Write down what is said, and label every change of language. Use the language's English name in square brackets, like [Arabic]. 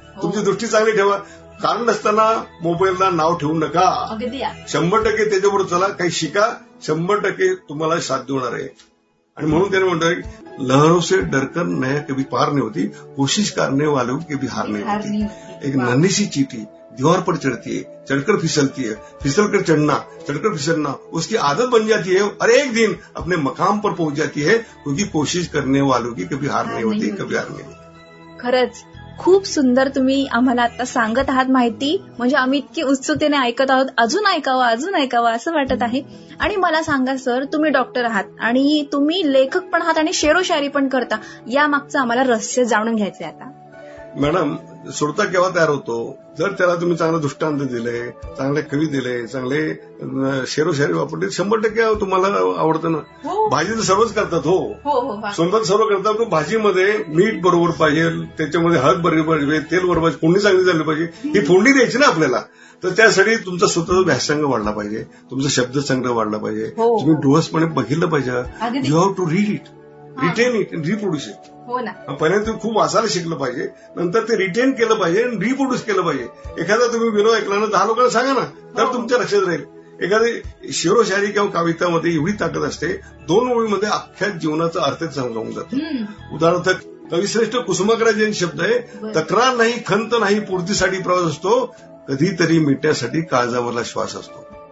[Marathi] तुमची दृष्टी चांगली ठेवा, कारण नसताना मोबाईलला नाव ठेवू नका. 100% त्याच्याबरोबर चला, काही शिका, 100% तुम्हाला साथ देणार आहे. आणि म्हणून त्याने म्हणतो [Hindi] लहरों से डरकर नया कभी पार नहीं होती, कोशिश करने वाले कभी हार नहीं होती. एक नन्हीशी चीटी दीवार पर चढ़ती है, चढ़कर फिसलती है, फिसलकर चढ़ना, चढ़कर फिसलना उसकी आदत बन जाती है और एक दिन अपने मकाम पर पहुंच जाती है, क्योंकि कोशिश करने वालों की कभी हार नहीं होती, कभी हार नहीं होती. [Marathi] खरच खूप सुंदर तुम्ही आम्हाला आता सांगत आहात माहिती, म्हणजे आम्ही इतकी उत्सुकतेने ऐकत आहोत, अजून ऐकावं अजून ऐकावं असं वाटत आहे. आणि मला सांगा सर, तुम्ही डॉक्टर आहात आणि तुम्ही लेखक पण आहात आणि शेरोशायरी पण करता, या मागचं आम्हाला रहस्य जाणून घ्यायचंय आता. मॅडम, सोडता केव्हा तयार होतो, जर त्याला तुम्ही चांगले दृष्टांत दिले, चांगले कवी दिले, चांगले शेरोशायरी वापरले, 100% तुम्हाला आवडतं ना. भाजी तर सर्वच करतात हो, स्वयंपाक सर्व करतात, पण भाजीमध्ये मीठ बरोबर पाहिजे, त्याच्यामध्ये हळद बरोबर पाहिजे, तेल बरोबर पाहिजे, फोडणी चांगली झाली पाहिजे. ही फोडणी द्यायची ना आपल्याला, तर त्यासाठी तुमचा स्वतःचा व्यासंग वाढला पाहिजे, तुमचा शब्द संग्रह वाढला पाहिजे, तुम्ही डोळसपणे बघितलं पाहिजे. [English] You have to read it, retain it, reproduce it. [Marathi] पहिल्यांदा तुम्ही खूप वाचायला शिकलं पाहिजे, नंतर ते रिटेन केलं पाहिजे आणि रिप्रोड्यूस केलं पाहिजे. एखादा तुम्ही विनोद ऐकला ना, 10 लोकांना सांगा ना, तर तुमच्या लक्षात राहील. एखादी शिरोशायरी किंवा कवितामध्ये एवढी ताकद असते, 2 ओळींमध्ये अख्ख्या जीवनाचा अर्थ समजावून जातो. उदाहरणार्थ कविश्रेष्ठ कुसुमाग्रजांचे शब्द आहे, तक्रार नाही खंत नाही पूर्तीसाठी प्रवास असतो, कधीतरी मिटण्यासाठी काळजावरला श्वास असतो.